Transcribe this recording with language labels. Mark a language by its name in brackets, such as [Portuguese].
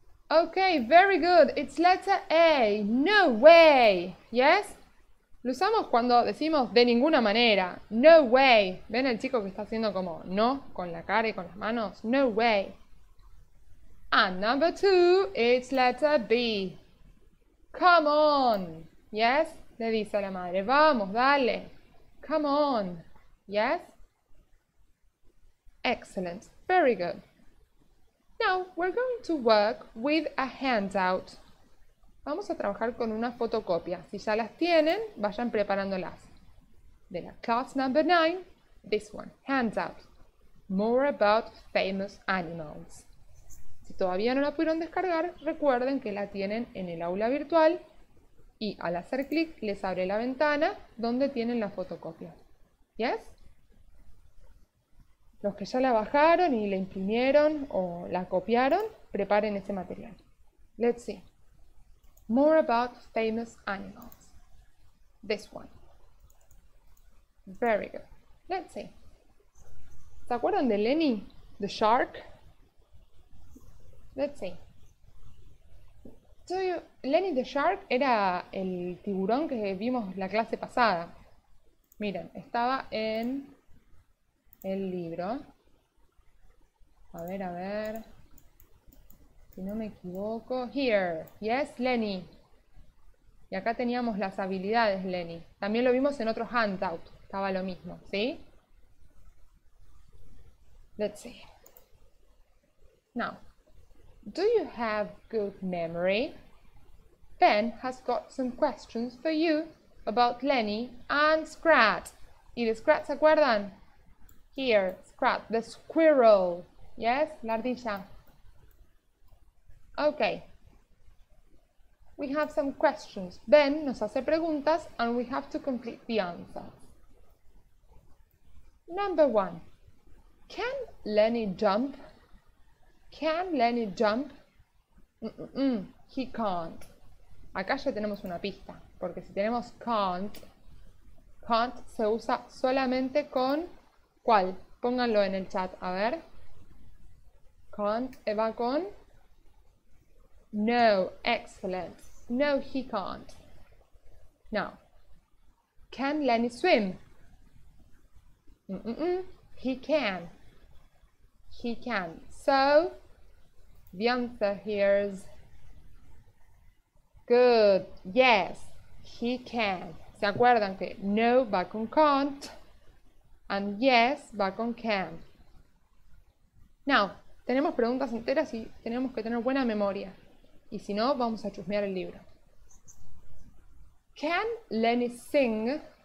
[English] Okay, very good. It's letter A. No way. Yes? [Spanish] Lo usamos cuando decimos de ninguna manera. [English] No way. [Spanish] ¿Ven el chico que está haciendo como no con la cara y con las manos? [English] No way. And number two, it's letter B. Come on. Yes? [Spanish] Le dice a la madre. Vamos, dale. Come on. Yes? [English] Excellent. Very good. Now, we're going to work with a handout. [Spanish] Vamos a trabajar con una fotocopia. Si ya las tienen, vayan preparándolas. De la [English] class number 9, this one, handout. More about famous animals. [Spanish] Si todavía no la pudieron descargar, recuerden que la tienen en el aula virtual y al hacer clic les abre la ventana donde tienen la fotocopia. ¿Yes? Los que ya la bajaron y la imprimieron o la copiaron, preparen ese material. [English] Let's see. More about famous animals. This one. Very good. Let's see. [Spanish] ¿Se acuerdan de Lenny, the shark? [English] Let's see. [Spanish] Lenny the shark era el tiburón que vimos la clase pasada. Miren, estaba en el libro. A ver. Si no me equivoco, [English] here, yes, [Spanish] Lenny. Y acá teníamos las habilidades, Lenny. También lo vimos en otro handout, estaba lo mismo, ¿sí? [English] Let's see. Now, do you have good memory? Ben has got some questions for you about Lenny and Scrat. [Spanish] ¿Y de Scrat se acuerdan? [English] Here, Scrat, the squirrel, yes, [Spanish] la ardilla. [English] Okay, we have some questions. [Spanish] Ben nos hace preguntas [English] and we have to complete the answers. Number one, can Lenny jump? Can Lenny jump? He can't. [Spanish] Acá ya tenemos una pista, porque si tenemos can't, can't se usa solamente con ¿cuál? Pónganlo en el chat, a ver. Can't va con... [English] No, excellent. No, he can't. Now, can Lenny swim? He can. He can. So, the answer here is good. Yes, he can. [Spanish] ¿Se acuerdan que no va con can't? And yes va con can. Now, tenemos preguntas enteras y tenemos que tener buena memoria. Y si no, vamos a chusmear el libro. [English] Can Lenny sing?